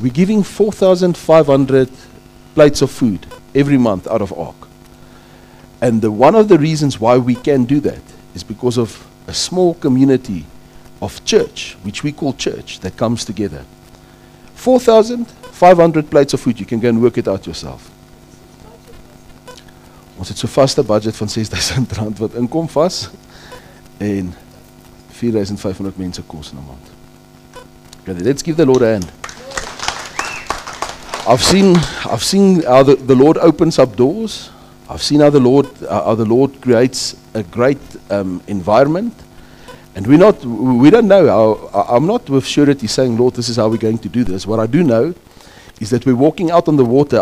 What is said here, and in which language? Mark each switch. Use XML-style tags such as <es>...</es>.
<en>We're giving 4,500 plates of food every month out of ARC. And the one of the reasons why we can do that is because of a small community of church, which we call church, that comes together. 4,500 plates of food. You can go and work it out yourself.</en> <af>Ons het so vas 'n budget van R6,000 wat inkom vas en 4,500 mense kos in 'n maand.</af> <en>Okay, let's give the Lord a hand. I've seen how the Lord opens up doors. I've seen how the Lord creates a great environment. And I'm not with surety saying, Lord, this is how we're going to do this. What I do know is that we're walking out on the water.</en>